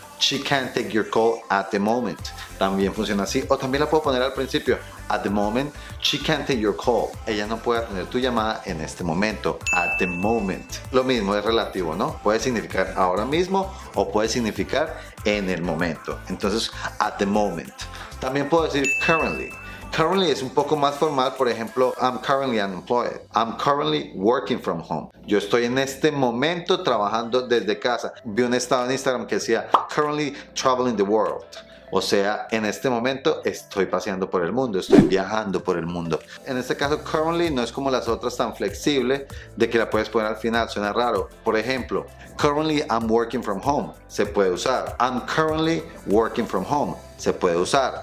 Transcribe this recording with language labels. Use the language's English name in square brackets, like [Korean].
[English] She can't take your call at the moment. [Spanish] También funciona así. O también la puedo poner al principio. [English] At the moment, she can't take your call. [Spanish] Ella no puede atender tu llamada en este momento. [English] At the moment. [Spanish] Lo mismo es relativo, ¿no? Puede significar ahora mismo o puede significar en el momento. Entonces, [English] at the moment. [Spanish] También puedo decir currently. Currently es un poco más formal. Por ejemplo, [English] I'm currently unemployed. I'm currently working from home. [Spanish] Yo estoy en este momento trabajando desde casa. Vi un estado en Instagram que decía [English] currently traveling the world. [Spanish] O sea, en este momento estoy paseando por el mundo, estoy viajando por el mundo. En este caso, currently no es como las otras tan flexible de que la puedes poner al final, suena raro. Por ejemplo, [English] currently I'm working from home, [Spanish] se puede usar. [English] I'm currently working from home, [Spanish] se puede usar.